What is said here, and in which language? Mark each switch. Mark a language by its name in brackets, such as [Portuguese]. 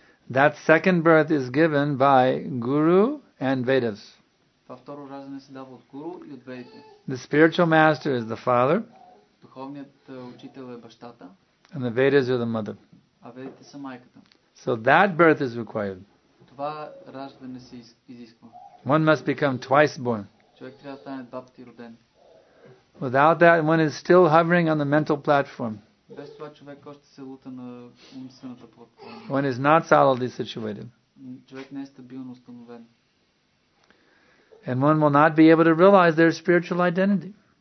[English] That second birth is given by Guru and Vedas. The spiritual master is the father. [Bulgarian] Духовният учител е бащата. [English] And the Vedas are the mother. [Bulgarian] А Ведите са майката. [English] So that birth is required. [Bulgarian] Това раждане се изисква. [English] One must become twice born. [Bulgarian] Човек трябва да стане два пъти роден. [English] Without that, one is still hovering on the mental platform. [Bulgarian] Без това човек още се лута на умствената платформа. [English] One is not solidly situated. [Bulgarian] Човек не е стабилно установен. [English] And one will not be able to realize their spiritual identity.